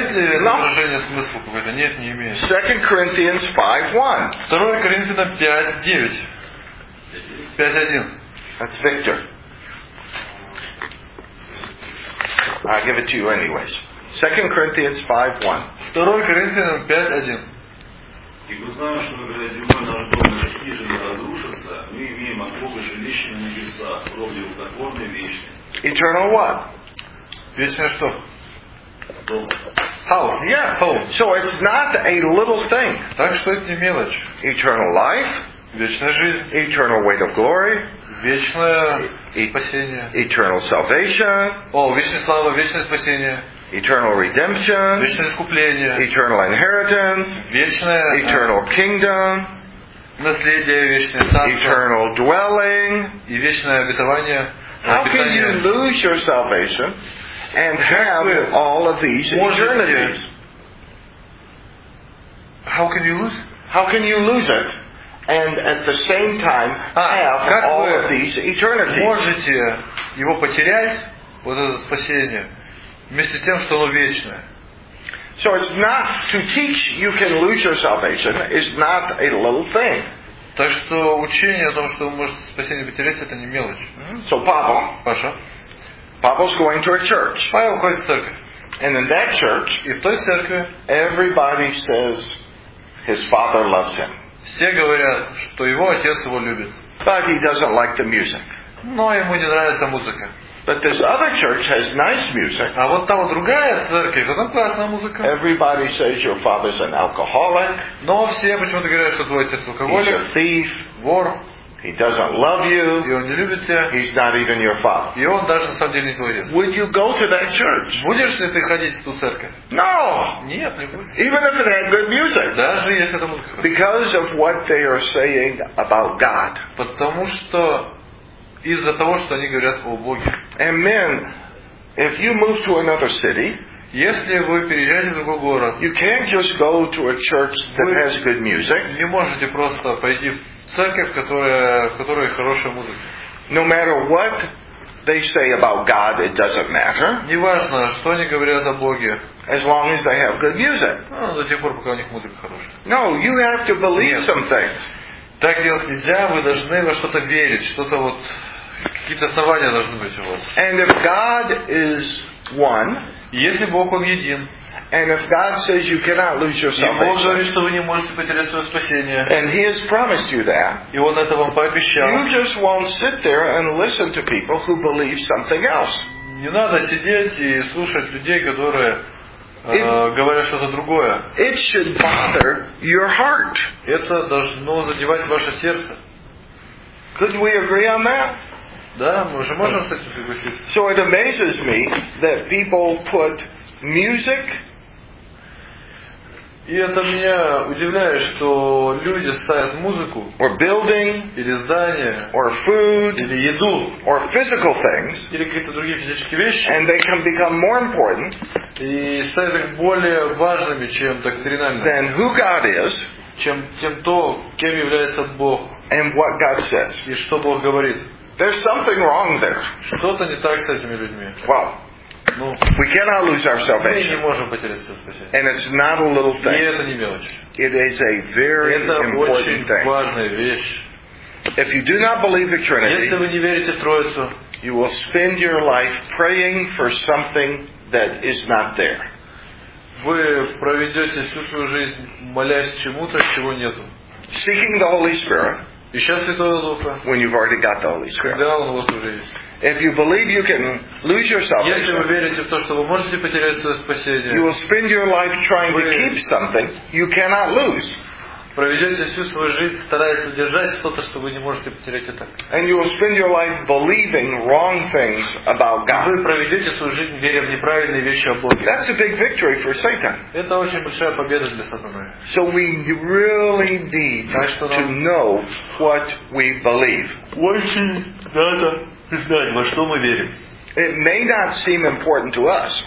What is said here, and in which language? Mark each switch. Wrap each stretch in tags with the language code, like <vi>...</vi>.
<en>2 Corinthians 5:1. 2 Corinthians 5:9. 5:1. That's Victor. I'll give it to you anyways. 2 Corinthians 5:1. 2 Corinthians 5:1.</en> <ru>И мы знаем, что когда земля наш дом расхижена и разрушится, мы имеем от Бога жилище на небесах, ровно укотворное вечное.</ru> <en>Eternal what?</en> <ru>Вечное что? Дом.</ru> <en>House, yeah. Home. So it's not a little thing.</en> <ru>Так что это не мелочь.</ru> <en>Eternal life.</en> <ru>Вечная жизнь.</ru> <en>Eternal weight of glory.</en> <ru>Вечное спасение.</ru> <en>Eternal salvation.</en> <ru>О, вечная слава, вечное спасение.</ru> <en>Eternal redemption.</en> <ru>Вечное искупление.</ru> <en>Eternal inheritance.</en> <ru>Вечное.</ru> <en>Eternal kingdom.</en> <ru>Наследие вечное царство.</ru> <en>Eternal dwelling.</en> <ru>И вечное обетование.</ru> <en>How can you lose your salvation and have all of these eternities? How can you lose it? And at the same time have all of these eternities.</en> <ru>Можете его потерять, вот это спасение, вместе с тем, что оно вечное.</ru> <en>So it's not to teach you can lose your salvation is not a little thing.</en> <ru>Так что учение о том, что вы можете спасение потерять, это не мелочь.</ru> <en>So Павел.</en> <ru>Паша.</ru> <en>Павел's going to a church.</en> <ru>Павел ходит в церковь.</ru> <en>And in that church,</en> <ru>и в той церкви,</ru> <en>everybody says his father loves him.</en> <ru>Все говорят, что его отец его любит.</ru> <en>But he doesn't like the music.</en> <ru>Но ему не нравится музыка.</ru> <en>But this other church has nice music.</en> <ru>А вот та вот другая церковь, там классная музыка.</ru> <en>Everybody says your father's an alcoholic.</en> <ru>Но все почему-то говорят, что твой отец алкоголик.</ru> <en>He's a thief.</en> <ru>Вор.</ru> <en>He doesn't love you.</en> <ru>И он не любит тебя.</ru> <en>He's not even your father.</en> <ru>И он даже на самом деле не твой отец.</ru> <en>Would you go to that church?</en> <ru>Будешь ли ты ходить в ту церковь?</ru> <en>No.</en> <ru>Нет, не будешь.</ru> <en>Even if it had good music.</en> <ru>Даже если это музыка.</ru> <en>Because of what they are saying about God.</en> <ru>Потому что из-за того, что они говорят о Боге.</ru> <en>And men, if you move to another city,</en> <ru>если вы переезжаете в другой город,</ru> <en>you can't just go to a church that has good music.</en> <ru>Не можете просто пойти в церковь, в которой хорошая музыка.</ru> <en>No matter what they say about God, it doesn't matter.</en> <ru>Неважно, что они говорят о Боге.</ru> <en>As long as they have good music.</en> <ru>Ну, до тех пор, пока у них музыка хорошая.</ru> <en>No, you have to believe some things.</en> <ru>Так делать нельзя, вы должны во что-то верить, что-то вот, какие-то основания должны быть у вас.</ru> <en>And if God is one,</en> <ru>если Бог он един,</ru> <en>and if God says you cannot lose your salvation,</en> <ru>и Бог говорит, что вы не можете потерять свое спасение,</ru> <en>and he has promised you that,</en> <ru>и он это вам пообещал,</ru> <en>you just won't sit there and listen to people who believe something else.</en> <ru>Не надо сидеть и слушать людей, которые говорят что-то другое.</ru> <en>It should bother your heart.</en> <ru>Это должно задевать ваше сердце.</ru> <en>Could we agree on that?</en> <ru>Да, мы же можем с этим согласиться.</ru> <en>So it amazes me that people put music.</en> <ru>И это меня удивляет, что люди ставят музыку.</ru> <en>Or building.</en> <ru>Или здание.</ru> <en>Or food.</en> <ru>Или еду.</ru> <en>Or physical things.</en> <ru>Или какие-то другие физические вещи.</ru> <en>And they can become more important.</en> <ru>И ставят их более важными, чем доктринальными.</ru> <en>Than who God is.</en> <ru>Чем то, кем является Бог.</ru> <en>And what God says.</en> <ru>И что Бог говорит.</ru> <en>There's something wrong there.</en> <ru>Что-то не так с этими людьми.</ru> <en>Wow. We cannot lose our salvation.</en> <ru>Мы не можем потерять свое спасение.</ru> <en>And it's not a little thing.</en> <ru>И это не мелочь.</ru> <en>It is a very</en> <ru>это</ru> <en>important</en> <ru>очень</ru> <en>thing.</en> <ru>Важная вещь.</ru> <en>If you do not believe the Trinity,</en> <ru>если вы не верите в Троицу,</ru> <en>you will spend your life praying for something that is not there.</en> <ru>Вы проведете всю свою жизнь, молясь чему-то, чего нету.</ru> <en>Seeking the Holy Spirit,</en> <ru>ища Святого Духа,</ru> <en>when you've already got the Holy Spirit.</en> <ru>Когда он у вас уже есть.</ru> <en>If you believe you can lose your salvation, you will spend your life trying to keep something you cannot lose.</en> <ru>проведете всю свою жизнь, стараясь удержать что-то, что вы не можете потерять и так.</ru> <en>And you will spend your life believing wrong things about God.</en> <ru>Вы проведете свою жизнь, веря в неправильные вещи о Боге.</ru> <en>That's a big victory for Satan.</en> <ru>Это очень большая победа для сатаны.</ru> <en>So we really need to know what we believe.</en> <ru>Очень надо знать, во что мы верим.</ru> <en>It may not seem important to us.</en>